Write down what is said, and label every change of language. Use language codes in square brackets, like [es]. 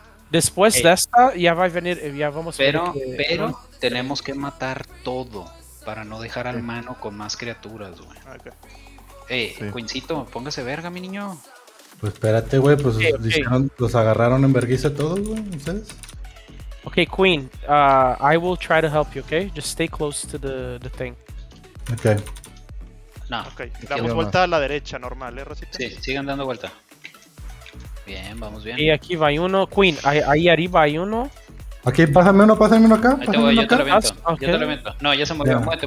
[es] Después de esta, ya va a venir. Ya vamos a pero, ver. Pero ¿no? Tenemos que matar todo para no dejar al mano con más criaturas, güey. [en] Okay. [es] Queencito, póngase verga, mi niño. Pues espérate, güey, pues los agarraron en verguiza todos, güey, ¿ustedes? [en] Ok, Queen, I will try to help you, ok? Just stay close to the thing. Ok. [es] No. Ok, damos vuelta a la derecha, normal, ¿eh, Rosita? Sí, sigan dando vuelta. Bien, vamos bien. Y aquí va uno, Queen, ahí arriba hay uno. Aquí, pásame uno acá. Yo te lo aviento. No, ya se movió, yeah.